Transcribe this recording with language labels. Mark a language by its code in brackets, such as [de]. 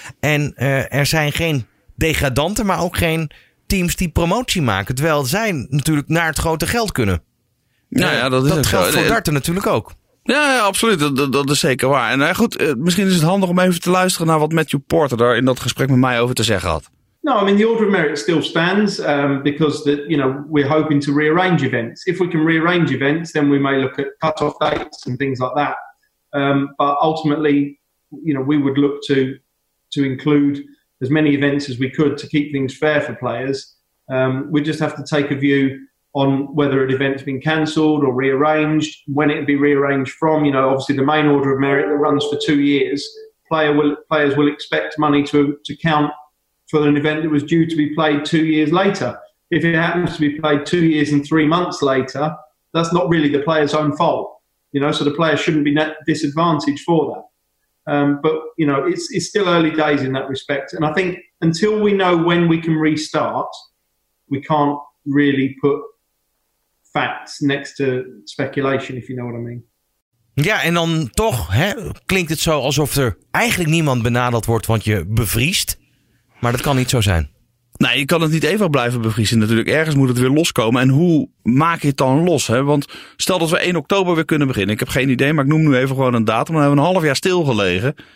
[nl] En er zijn geen degradanten, maar ook geen teams die promotie maken. Terwijl zij natuurlijk naar het grote geld kunnen. Nou ja, dat is dat geldt voor darten natuurlijk ook. Ja, ja, absoluut. Dat is zeker waar. En goed, misschien is het handig om even te luisteren naar wat Matthew Porter daar in dat gesprek met mij over te zeggen had. [en] No, I mean the order of merit still stands because that, you know, we're hoping to rearrange events. If we can rearrange events, then we may look at cut-off dates and things like that. But ultimately, you know, we would look to include as many events as we could to keep things fair for players. We just have to take a view on whether an event's been cancelled or rearranged, when it'd be rearranged from. You know, obviously the main order of merit that runs for 2 years, players will expect money to count for an event that was due to be played 2 years later. If it happens to be played 2 years and 3 months later, that's not really the player's own fault. You know, so the player shouldn't be net disadvantaged for that. But, you know, it's still early days in that respect. And I think until we know when we can restart, we can't really put facts next to speculation, if you know what I mean. [nl] Ja, en dan toch hè, klinkt het zo alsof er eigenlijk niemand benadeld wordt, want je bevriest. Maar dat kan niet zo zijn. Nee, je kan het niet even blijven bevriezen natuurlijk. Ergens moet het weer loskomen. En hoe maak je het dan los? Hè? Want stel dat we 1 oktober weer kunnen beginnen. Ik heb geen idee, maar ik noem nu even gewoon een datum. Dan hebben we een half jaar stilgelegen.